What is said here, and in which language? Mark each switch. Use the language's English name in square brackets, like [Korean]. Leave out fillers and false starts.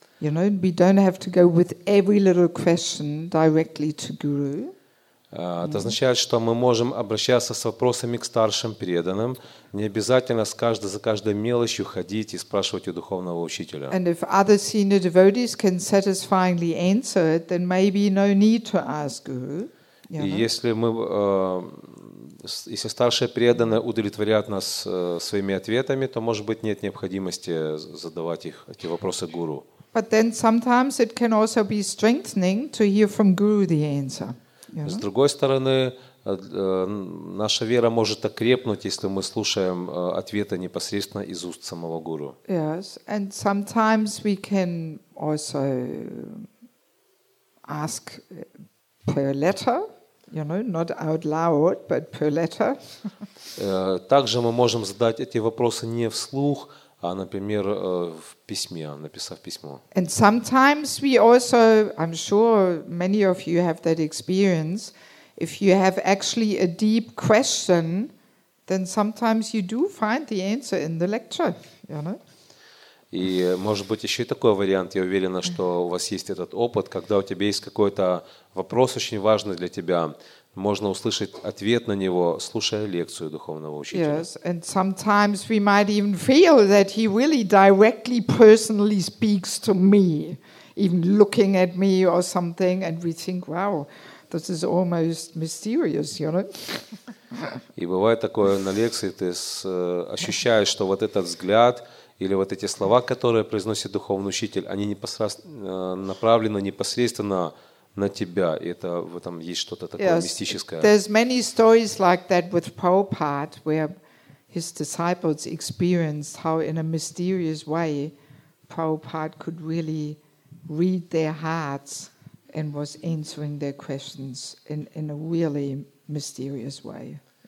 [English] You know, we don't have to go with every little question directly to guru. [Russian] Это означает, что мы можем обращаться с вопросами к старшим преданным, не обязательно за каждой мелочью ходить и спрашивать у духовного учителя. [English] And if other senior devotees can satisfyingly answer it, then maybe no need to ask guru. You know? [Russian] И если старшие преданные удовлетворят нас своими ответами, то, может быть, нет необходимости задавать эти вопросы гуру. [English] But then sometimes it can also be strengthening to hear from guru the answer. [Russian] С другой стороны, наша вера может окрепнуть, если мы слушаем ответы непосредственно из уст самого гуру. [English] Yes, and sometimes we can also ask per letter, you know, not out loud, but per letter. [Russian] Также мы можем задать эти вопросы не вслух, а, например, в письме, написав письмо. [English] And sometimes we also, I'm sure many of you have that experience, if you have actually a deep question, then sometimes you do find the answer in the lecture, you know? [Russian] И, может быть, еще и такой вариант, я уверена, что у вас есть этот опыт, когда у тебя есть какой-то вопрос очень важный для тебя, можно услышать ответ на него, слушая лекцию духовного учителя. [English] Yes, and sometimes we might even feel that he really directly, personally speaks to me, even looking at me or something, and we think, wow, this is almost mysterious, you know? [Russian] И бывает такое на лекции, ты ощущаешь, что вот этот взгляд или вот эти слова, которые произносит духовный учитель, они направлены непосредственно на тебя, и это в этом есть что-то такое [English] yes, [Russian] мистическое. [English] There's many stories like that with Prabhupada, where his disciples experienced how in a mysterious way Prabhupada could really read their hearts and was answering their questions in a really mysterious way.